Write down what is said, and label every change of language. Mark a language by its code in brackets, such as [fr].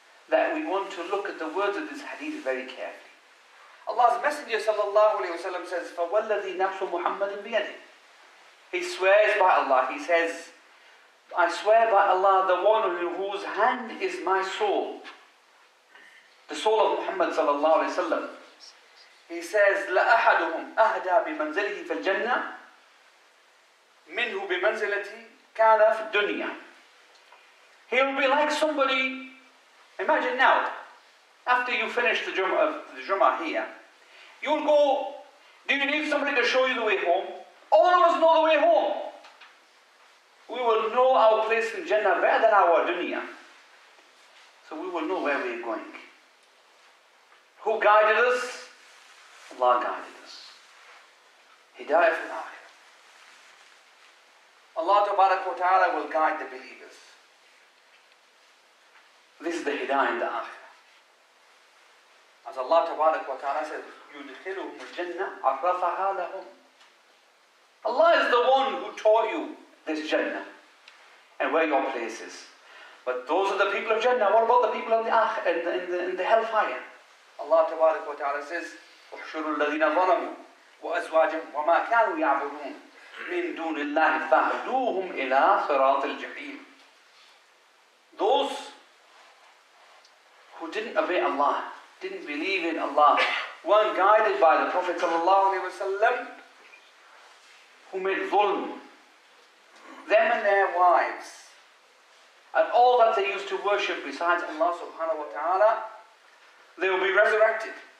[en] that we want to look at the words of this hadith very carefully. Allah's Messenger sallallahu alayhi wa sallam says, [ar] فَوَلَّذِي نَفْسُ مُحَمَّدٍ بِيَدِهِ. [en] He swears by Allah, he says, I swear by Allah, the one whose hand is my soul, the soul of Muhammad sallallahu alayhi wa sallam. He says, [ar] لَأَحَدُهُمْ أَهْدَى بِمَنْزِلِهِ فِي الْجَنَّةِ مِنْهُ بِمَنْزِلَتِي كَانَ فِي الدُّنْيَا. [en] He will be like somebody, imagine now, after you finish the Jummah here, you'll go, do you need somebody to show you the way home? All of us know the way home. We will know our place in Jannah better than our dunya. So we will know where we're going. Who guided us? Allah guided us. Hidayah tul Akhira. Allah tabarak wa ta'ala will guide the believers. This is the Hidayah in the Akhira. As Allah tabarak wa ta'ala says, [ar] يُدْخِلُهُمْ الْجَنَّةِ عَرَّفَهَا لَهُمْ. [en] Allah is the one who taught you this Jannah and where your place is. But those are the people of Jannah. What about the people of the hellfire? Allah tabarak wa ta'ala says, [ar] احشروا الذين ظلموا وأزواجهم وما كانوا يعبدون من دون الله فاهدوهم إلى صراط الجحيم. [en] Those who didn't obey Allah, didn't believe in Allah, weren't guided by the Prophet sallallahu alaihi wasallam, who made zulm, them and their wives, and all that they used to worship besides Allah subhanahu wa ta'ala, they will be resurrected.